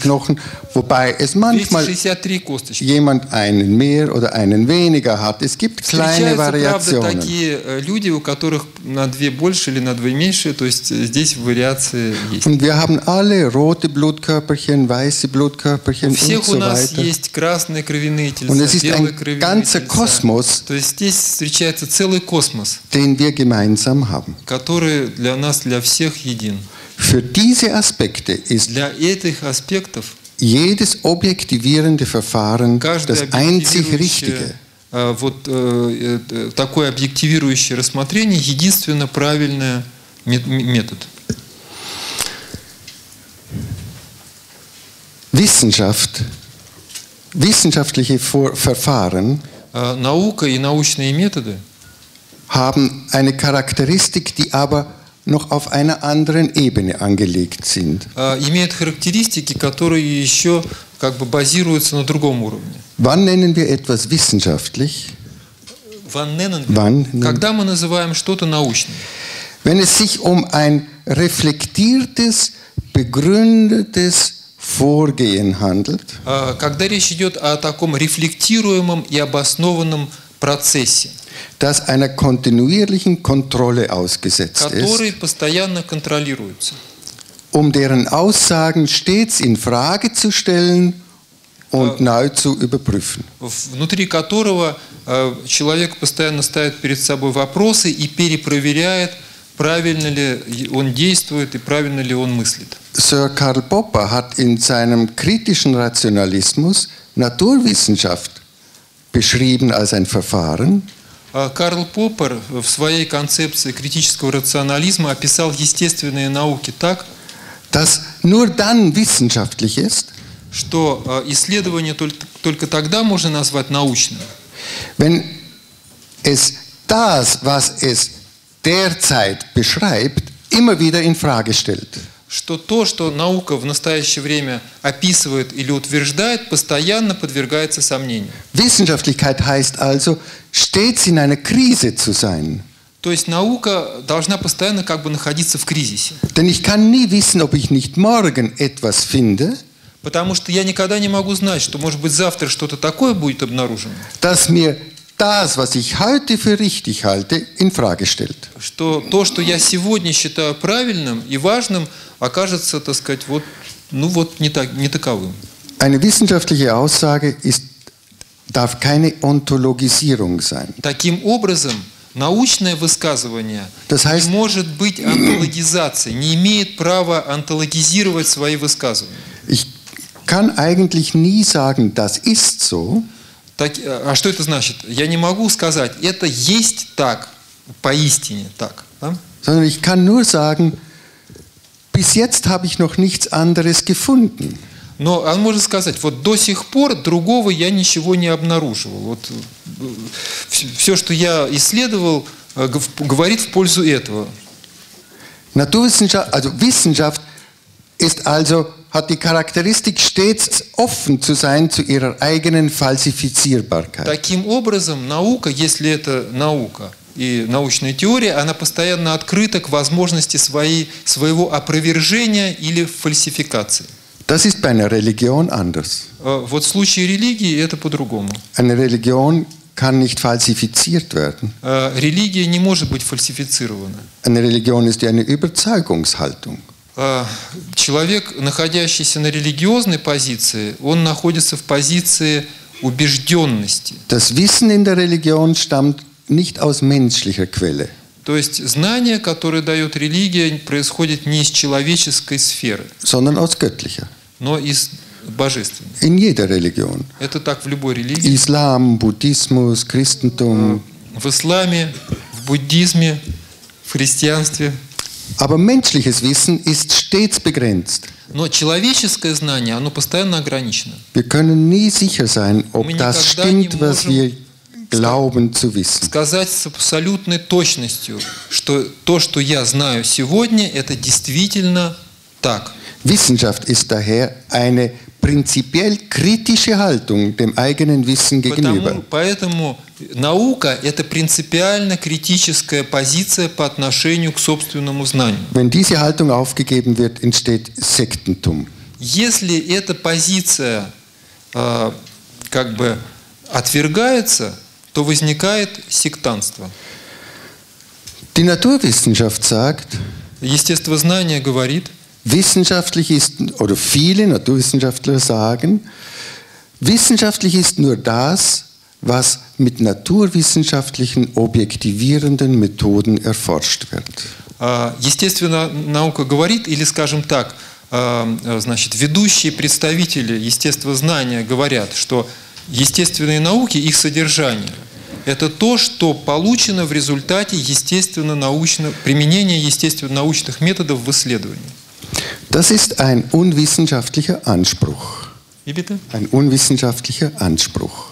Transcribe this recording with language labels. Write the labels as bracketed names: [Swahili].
[German] Knochen, wobei es manchmal jemand einen mehr oder einen weniger hat. Es gibt kleine Variationen. [Russian] Правда, такие люди, у которых на две больше или на две меньше, то есть здесь вариации есть. [German] Und wir haben alle rote Blutkörperchen, weiße Blutkörperchen und so weiter. [Russian] У всех у нас есть красные кровяные тельца, белые кровяные тельца. [German] Und es ist ein ganzer Kosmos, [Russian] то есть здесь встречается целый космос, [German] den wir gemeinsam haben, [Russian] который для нас, для всех един. [German] Für diese Aspekte ist [Russian] для этих аспектов [German] jedes objektivierende Verfahren das einzig Richtige. [Russian] Вот такое объективирующее рассмотрение единственно правильный метод. [German] Wissenschaft, wissenschaftliche Verfahren, [Russian] наука и научные методы [German] haben eine Charakteristik, die aber noch auf einer anderen Ebene angelegt sind. [Russian] Имеют характеристики, которые еще как бы базируются на другом уровне. [German] Wann nennen wir etwas wissenschaftlich? [Russian] В Когда мы называем что-то научным? [German] Wenn es sich um ein reflektiertes, begründetes Vorgehen handelt. [Russian] Когда речь идет о таком рефлектируемом и обоснованном процессе, [German] das einer kontinuierlichen Kontrolle ausgesetzt ist, [Russian] который постоянно контролируется, [German] um deren Aussagen stets in Frage zu stellen und neu zu überprüfen. [Russian] Внутри которого человек постоянно ставит перед собой вопросы и перепроверяет, правильно ли он действует и правильно ли он мыслит. [German] Sir Karl Popper hat in seinem kritischen Rationalismus Naturwissenschaft beschrieben als ein Verfahren. [Russian] Карл Поппер в своей концепции критического рационализма описал естественные науки так, [German] dass nur dann wissenschaftlich ist, [Russian] что исследование только тогда можно назвать научным, [German] wenn es das, was es derzeit beschreibt, immer wieder in Frage stellt. [Russian] Что то, что наука в настоящее время описывает или утверждает, постоянно подвергается сомнению. [German] Wissenschaftlichkeit heißt also, stets in einer Krise zu sein. [Russian] То есть наука должна постоянно как бы находиться в кризисе. [German] Denn ich kann nie wissen, ob ich nicht morgen etwas finde. [Russian] Потому что я никогда не могу знать, что, может быть, завтра что-то такое будет обнаружено. [German] Dass mir das, was ich heute für richtig halte, in Frage stellt. [Russian] Что то, что я сегодня считаю правильным и важным, окажется, так сказать, вот, ну вот, не так, не таковым. [German] Eine wissenschaftliche Aussage ist, darf keine Ontologisierung sein. [Russian] Таким образом, научное высказывание [German] das heißt, [Russian] не может быть онтологизацией, не имеет права онтологизировать свои высказывания. Ich kann eigentlich nie sagen, das ist so. Так, а что это значит? Я не могу сказать, это есть так, поистине так. Да? [German] Sondern ich kann nur sagen, bis jetzt habe ich noch nichts anderes gefunden. [Russian] Но он может сказать, вот до сих пор другого я ничего не обнаруживал. Вот все, что я исследовал, говорит в пользу этого. [German] Naturwissenschaft, also Wissenschaft ist also hat die Charakteristik, stets offen zu sein zu ihrer eigenen Falsifizierbarkeit. [Russian] Таким образом, наука, если это наука и научная теория, она постоянно открыта к возможности своего опровержения или фальсификации. [German] Das ist bei einer Religion anders. [Russian] Вот в случае религии это по-другому. [German] Eine Religion kann nicht falsifiziert werden. [Russian] Религия не может быть фальсифицирована. [German] Eine Religion ist eine Überzeugungshaltung. [Russian] Человек, находящийся на религиозной позиции, он находится в позиции убежденности. [German] Das Wissen in der Religion stammt nicht aus menschlicher Quelle. [Russian] То есть знание, которое дает религия, происходит не из человеческой сферы, [German] sondern aus göttlicher. [Russian] Но из божественной. [German] In jeder Religion. [Russian] Это так в любой религии. Ислам, буддизмус, христианство. В исламе, в буддизме, в христианстве. [German] Aber menschliches Wissen ist stets begrenzt. [Russian] Но человеческое знание, оно постоянно ограничено. [German] Wir können nie sicher sein, ob das stimmt, was wir glauben zu wissen. [Russian] Сказать с абсолютной точностью, что то, что я знаю сегодня, это действительно так. [German] Wissenschaft ist daher eine prinzipiell kritische Haltung dem eigenen Wissen gegenüber. [Russian] Поэтому наука – это принципиально критическая позиция по отношению к собственному знанию. [German] Wenn diese Haltung aufgegeben wird, entsteht Sektentum. [Russian] Если эта позиция как бы отвергается, то возникает сектантство. [German] Die Naturwissenschaft sagt, [Russian] естествознание говорит, [German] wissenschaftlich ist, oder viele Naturwissenschaftler sagen, wissenschaftlich ist nur das, was mit naturwissenschaftlichen objektivierenden Methoden erforscht wird. [Russian] Естественно, наука говорит, или скажем так, значит, ведущие представители естествознания говорят, что естественные науки, их содержание, это то, что получено в результате естественно-научного применения естественно-научных методов в исследовании. [German] Das ist ein unwissenschaftlicher Anspruch. Wie bitte? Ein unwissenschaftlicher Anspruch.